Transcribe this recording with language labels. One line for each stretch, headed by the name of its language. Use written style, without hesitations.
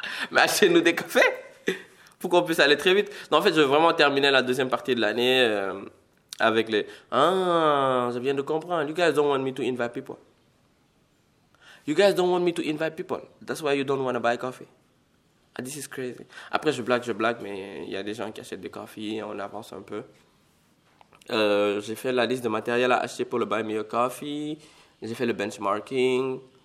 French: Mais achetez-nous des cafés pour qu'on puisse aller très vite. Non, en fait, je veux vraiment terminer la deuxième partie de l'année avec les. Ah, je viens de comprendre.
English: You guys don't want me to invite people. You guys don't want me to invite people. That's why you don't want to buy coffee. Ah, this is crazy.
French: Après, je blague, mais il y a des gens qui achètent des cafés. On avance un peu. J'ai fait la liste de matériel à acheter pour le Buy Me a Coffee. J'ai fait le benchmarking.